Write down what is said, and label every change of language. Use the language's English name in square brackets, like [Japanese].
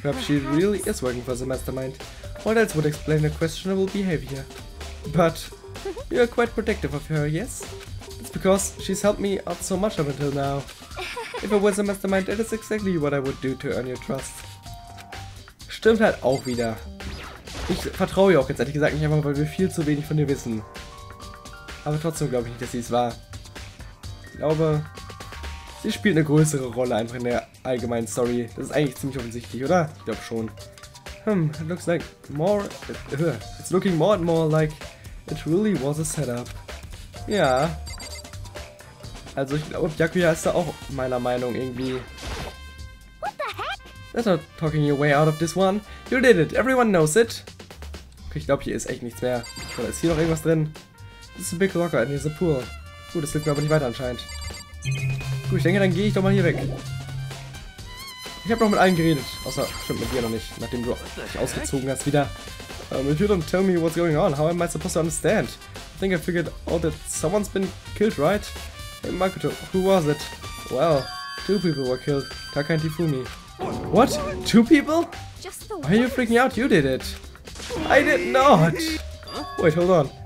[English] perhaps she really is working for the mastermind. What else would explain her questionable behavior? But you are quite protective of her, yes? It's because she's helped me out so much up until now. If I was a mastermind, that is exactly what I would do to earn your trust. [German] Stimmt halt auch wieder. Ich vertraue ihr auch jetzt ehrlich gesagt nicht einfach, weil wir viel zu wenig von ihr wissen. Aber trotzdem glaube ich nicht, dass sie es war. Ich glaube, sie spielt eine größere Rolle einfach in der allgemeinen Story. Das ist eigentlich ziemlich offensichtlich, oder? Ich glaube schon. [English] It looks like more. It's looking more and more like it really was a setup. [German] Ja. Also ich glaube, Byakuya ist da auch meiner Meinung irgendwie. [English] What the heck? That's not talking your way out of this one. You did it. Everyone knows it. [German] Okay, ich glaube, hier ist echt nichts mehr. Oder ist hier noch irgendwas drin? [English] This is a big locker and here's a pool. [German] Gut, das hilft mir aber nicht weiter anscheinend. Gut, ich denke, dann gehe ich doch mal hier weg. Ich habe noch mit allen geredet, außer stimmt mit dir noch nicht, nachdem du dich ausgezogen hast wieder. [English] If you don't tell me what's going on, how am I supposed to understand? I think I figured out that someone's been killed, right? Hey Makoto, who was it? Well, two people were killed. Taka and Tifumi. What? Two people? Just the Why are you freaking out? You did it. I did not. Wait, hold on.